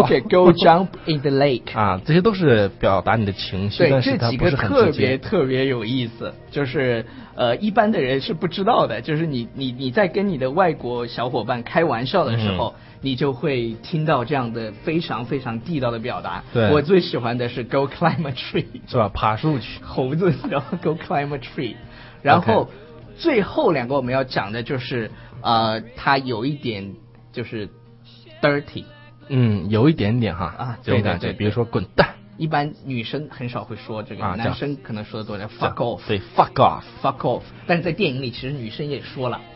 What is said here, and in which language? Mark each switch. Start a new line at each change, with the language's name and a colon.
English: Okay, go jump in the lake.
Chinese: 啊，这些都是表达你的情绪，但是它不是很直接。这几个特别特别有意思，就是一般的人是不知道的，就是你在跟你的外国小伙伴开玩笑的时候，嗯，你就会听到这样的非常非常地道的表达。对，我最喜欢的是
English: go climb a tree，
Chinese: 是吧？爬树去，猴子，然后
English: go climb a tree，
Chinese: 然后，
English: okay，
Chinese: 最后两个我们要讲的就是它有一点就是 dirty。嗯，有一点点哈，啊，对对对，比如说滚蛋，一般女生很少会说这个，啊，男生可能说的多点
English: fuck off，对 fuck off， fuck off，
Chinese: 但是在电影里其实女生也说了，